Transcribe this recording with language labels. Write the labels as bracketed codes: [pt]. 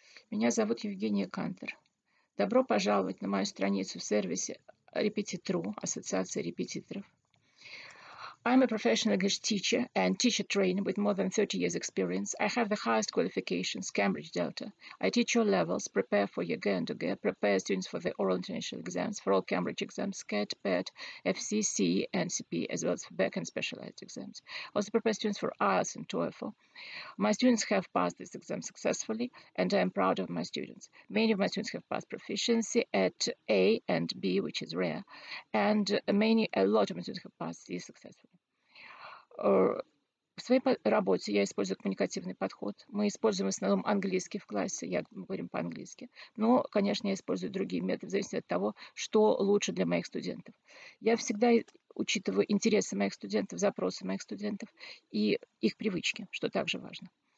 [ru] Меня зовут Евгения Кантер. Добро пожаловать на мою страницу в сервисе Repetitru, Ассоциации репетиторов. [en] I'm a professional English teacher and teacher trainer with more than 30 years experience. I have the highest qualifications, Cambridge Delta. I teach your levels, prepare for EGE and UGE, prepare students for the oral international exams, for all Cambridge exams, CAT, PET, FCC, NCP, as well as for BEC and specialized exams. I also prepare students for IELTS and TOEFL. My students have passed this exam successfully, and I am proud of my students. Many of my students have passed proficiency at A and B, which is rare, and a lot of my students have passed this successfully. [ru] В своей работе я использую коммуникативный подход. Мы используем в основном английский в классе, я говорю по-английски. Но, конечно, я использую другие методы, в зависимости от того, что лучше для моих студентов. Я всегда учитываю интересы моих студентов, запросы моих студентов и их привычки, что также важно.